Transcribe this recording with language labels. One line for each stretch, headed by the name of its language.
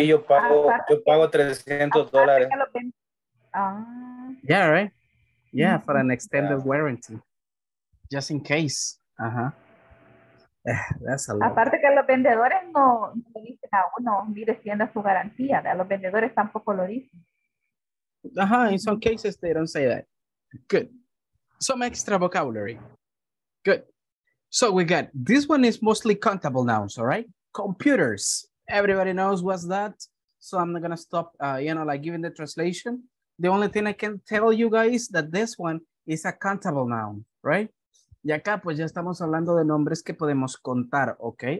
Spanish: Sí, yo pago $300.
English: Yeah, right? Yeah, mm-hmm. For an extended warranty. Just in case. Ajá. That's a lot.
Spanish: Aparte que los vendedores no le dicen a uno, mire, tienda su garantía. A los vendedores tampoco lo dicen.
English: Ajá, in some cases they don't say that. Good. Some extra vocabulary. Good. So we got, this one is mostly countable nouns, all right? Computers. Everybody knows what's that? So I'm not gonna stop, like giving the translation. The only thing I can tell you guys that this one is a countable noun, right?
Spanish: Y acá pues ya estamos hablando de nombres que podemos contar, okay?